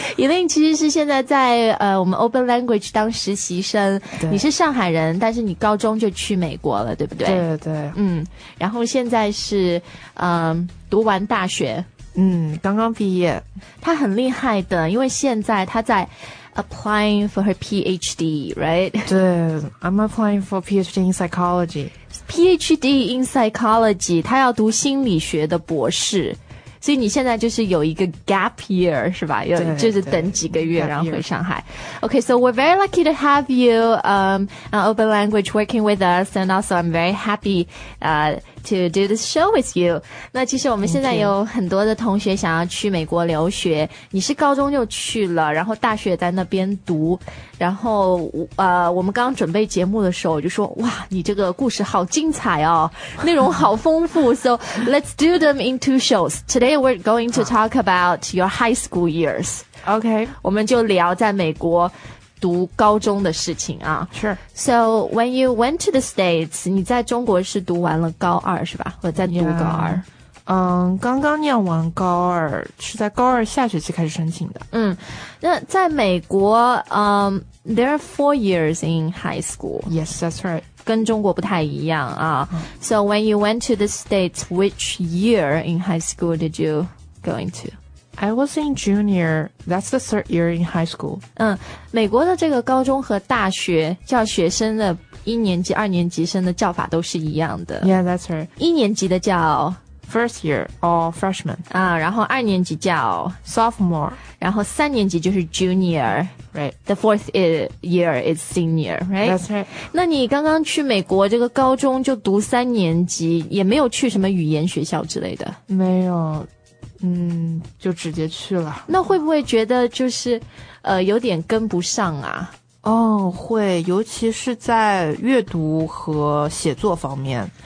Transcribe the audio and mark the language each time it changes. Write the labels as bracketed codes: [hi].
[zh] Elaine 其实是现在在我们 Open Language 当实习生，你是上海人，但是你高中就去美国了，对不对？对对。嗯，然后现在是读完大学，嗯，刚刚毕业。他很厉害的，因为现在他在 [en] Applying for her PhD, right? 对 ,I'm applying for PhD in psychology. PhD in psychology, [zh] 她要读心理学的博士。所以你现在就是有一个 gap year, 是吧？有，就是等几个月然后回上海。 [en] Okay, so we're very lucky to have you, on Open Language working with us, and also I'm very happy, to do this show with you. [zh] 那其实我们现在有很多的同学想要去美国留学，你是高中就去了，然后大学在那边读，然后我们刚准备节目的时候我就说，哇，你这个故事好精彩哦，内容好丰富。 [en] So let's do them in two shows. Today we're going to talk about your high school years. Okay. [zh] 我们就聊在美国读高中的事情啊。 [en] Sure. So when you went to the States, [zh] 你在中国是读完了高二是吧？我在读高二。嗯、刚刚念完高二，是在高二下学期开始申请的。 [en] 嗯， [zh] 那在美国， [en] there are 4 years in high school. Yes, that's right. [zh] 跟中国不太一样啊。 [en] So when you went to the States, which year in high school did you go into? I was in junior. That's the third year in high school. [zh] 嗯，美国的这个高中和大学叫学生的一年级、二年级生的叫法都是一样的。 [en] Yeah, that's right. [zh] 一年级的叫 [en] first year or freshman. [zh] 啊，然后二年级叫 [en] sophomore. [zh] 然后三年级就是 junior. [en] Right. The fourth year is senior. Right. That's right. [zh] 那你刚刚去美国这个高中就读三年级，也没有去什么语言学校之类的？没有。嗯，就直接去了。那会不会觉得就是有点跟不上啊？哦，会，尤其是在阅读和写作方面。